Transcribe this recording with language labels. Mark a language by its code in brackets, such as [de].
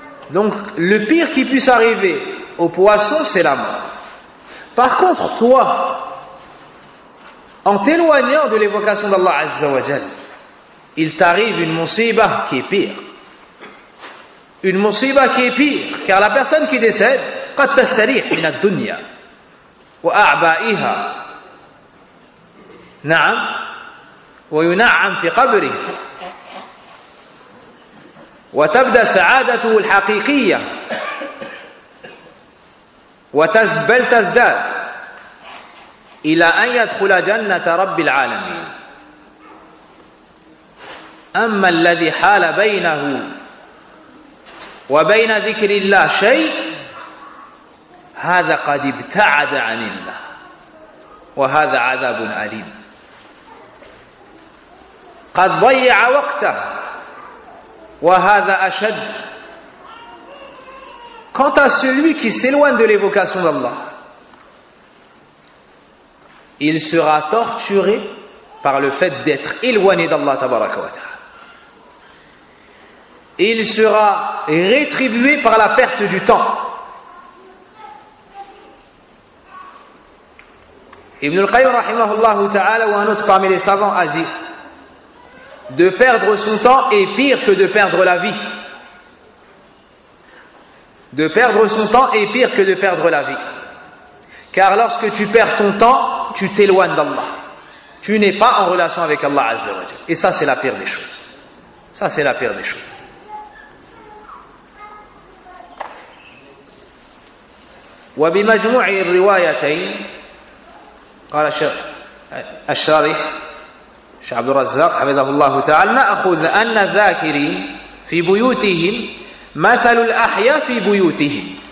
[fr] Donc le pire qui puisse arriver au poisson, c'est la mort. Par contre, toi, en t'éloignant de l'évocation d'Allah Azza wa Jal, il t'arrive une musiba qui est pire. Une musiba qui est pire, car la personne qui décède, [ar] قد تستريح من الدنيا وأعبائها نعم وينعم في قبره وتبدأ سعادته الحقيقية وتزبل تزداد إلى أن يدخل جنة رب العالمين أما الذي حال بينه وبين ذكر الله شيء هذا قد ابتعد عن الله وهذا عذاب أليم قد ضيع وقته وهذا أشد. [fr] Quant à celui qui s'éloigne de l'évocation d'Allah, il sera torturé par le fait d'être éloigné d'Allah tabaraka wa ta'ala. Il sera rétribué par la perte du temps. Ibn al-Qayyim rahimahullah ta'ala ou un autre parmi les savants a dit: de perdre son temps est pire que de perdre la vie. De perdre son temps est pire que de perdre la vie. Car lorsque tu perds ton temps, tu t'éloignes d'Allah. Tu n'es pas en relation avec Allah Azza wa Jalla. Et ça, c'est la pire des choses. Ça, c'est la pire des choses. [ar] وَبِمَجْمُعِ الرِّوَايَتَيْنِ قَالَ الشَّارِحُ شيخ عبد الرزاق حفظه الله تعالى: نأخذ أن الذاكرين في بيوتهم مثل الأحياء في بيوتهم.